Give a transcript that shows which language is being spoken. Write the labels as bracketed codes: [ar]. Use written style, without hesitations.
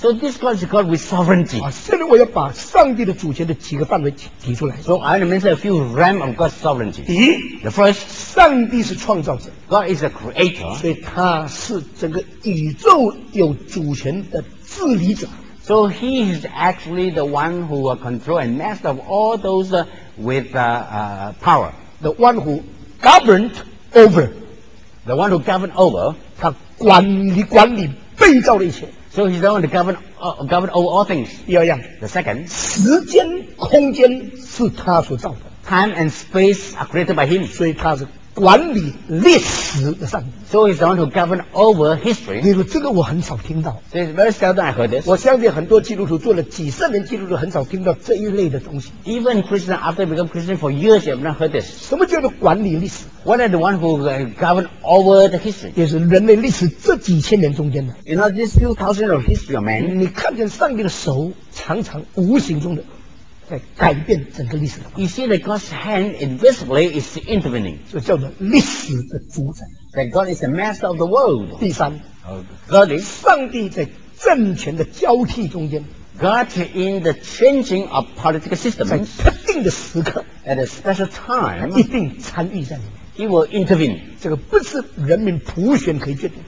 [en] So this God is God with sovereignty。 [zh] 啊，现在我要把上帝的主权的几个范围提出来。 [en] So I want to mention a few realms of God's sovereignty。 [zh] 第一 [en] ，The first， [zh] 上帝是创造者 [en] ，God is a creator。 [zh] 所以他是整个宇宙有主权的治理者。 [en] So he is actually the one who will control and master of all those with power. The one who governed over. The one who governed over. [zh] 他管理被造的一切。 [en] So he's the one to govern over all things. [zh] 第二样。 [en] The second. [zh] 时间空间是他所造的。 [en] Time and space are created by him. [zh] 所以他是管理历史的上帝。 [en] So he's the one who governs over history. [zh] 你说这个我很少听到。 [en] So it's very seldom I heard this. [zh] 我相信很多基督徒做了几十年基督徒很少听到这一类的东西。 [en] Even Christian, after they become Christian for years, you have not heard this. [zh] 什么叫做管理历史？ [en] What are the one who governs over the history? [zh] 就是人类历史这几千年中间的。 [en] You know, this few thousand of history of man. [zh] 你看见上帝的手常常无形中的在改变整个历史的。 [en] You see that God's hand invisibly is intervening. [zh] 就叫做历史的主宰。 [en] That God is the master of the world. [zh] 第三 [en] Thirdly, [zh] 上帝在政权的交替中间。 [en] God in the changing of political systems. [zh] 在特定的时刻。 [en] At a special time. [zh] 一定参与在里面。 [en] He will intervene. [zh] 这个不是人民普选可以决定。